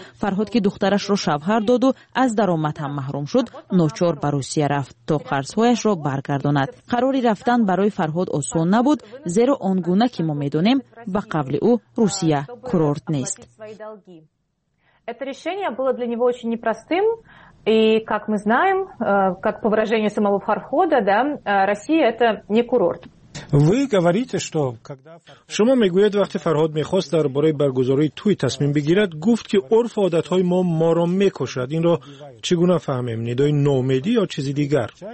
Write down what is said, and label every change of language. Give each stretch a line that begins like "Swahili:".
Persian: فرهاد که دخترش را شوهر داد و از درآمد هم محروم شد، ناچار به روسیه رفت تا سویش را برگرداند. قراری رفتن برای فرهاد آسان نبود، زیرا آنگونه که ما می دانیم به قبل او روسیه کورورت نیست.
Russian: И как мы знаем, как по выражению самого Фархода, да, Россия это не курорт. Вы говорите, что когда
Persian: شما میگوید وقتی فرهاد میخواست در باره برگزاری توی تصمیم بگیرد، گفت که عرف و عادت های ما ما را میکشد. این را چگونه فهمیم؟ ندای نومیدی یا چیزی دیگر؟